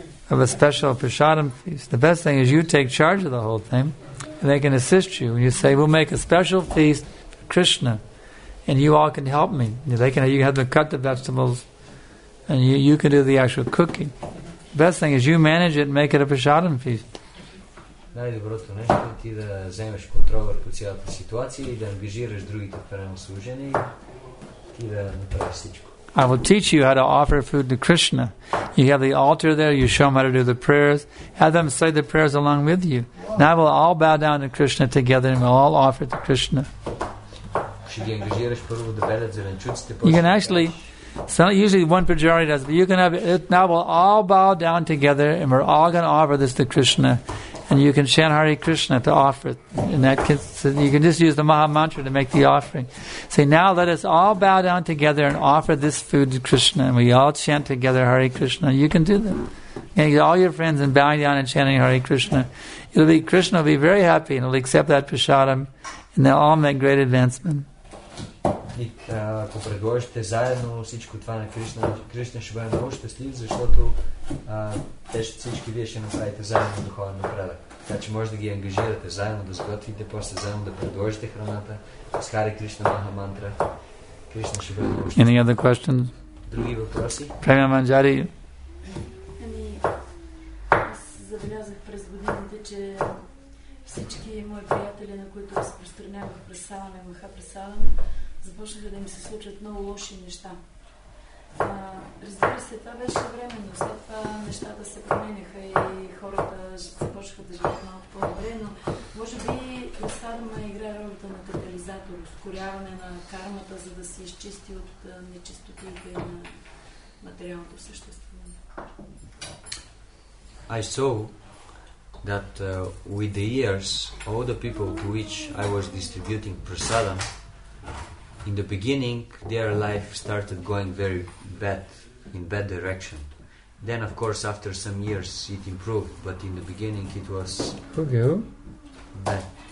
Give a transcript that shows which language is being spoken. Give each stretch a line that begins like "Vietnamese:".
English: Of a special Prasadam feast. The best thing is you take charge of the whole thing and they can assist you. And you say, we'll make a special feast for Krishna and you all can help me. You can have them cut the vegetables and you can do the actual cooking. The best thing is you manage it and make it a Prasadam feast.
Bulgarian: Най-доброто нещо е ти да вземеш контрол върху цялата ситуация и да ангажираш другите прямо служени и да направиш всичко.
English: I will teach you how to offer food to Krishna. You have the altar there, you show them how to do the prayers, have them say the prayers along with you. Now we'll all bow down to Krishna together and we'll all offer to Krishna.
Bulgarian: Ще ги ангажираш първо да белят зеленчуците.
English: You can actually, so usually one pujari does, but you can have it. Now we'll all bow down together and we're all going to offer this to Krishna. And you can chant Hare Krishna to offer it. And that can, so you can just use the Maha Mantra to make the offering. Say, now let us all bow down together and offer this food to Krishna. And we all chant together Hare Krishna. You can do that. And you get all your friends and bowing down and chanting Hare Krishna. It'll be, Krishna will be very happy and will accept that prasadam. And they'll all make great advancement.
Bulgarian: Ако предложите заедно всичко това на Кришна, Кришна ще бъде много щастлив, защото всички вие ще направите заедно духовен напредък. Така че може да ги ангажирате заедно, да сготвите, после заедно да предложите храната с Хари Кришна Маха Мантра. Кришна ще бъде много щастлив.
English: Any other question?
Bulgarian: Други въпроси? Премия Манджари. Аз забелязах през годините, че всички мои приятели, на които разпространявах Прасадам и Махапрасадам, започнаха да ми се случват много лоши неща. Разбира се, това беше временно. След това нещата се променяха и хората започнаха да живеят малко по-добре, но може би Прасадама играе ролята на катализатор, ускоряване на кармата, за да се изчисти от нечистотите на материалното съществуване.
English: I saw that with the years, all the people to which I was distributing prasadam, in the beginning, their life started going very bad, in bad direction. Then, of course, after some years, it improved, but in the beginning, it was bad.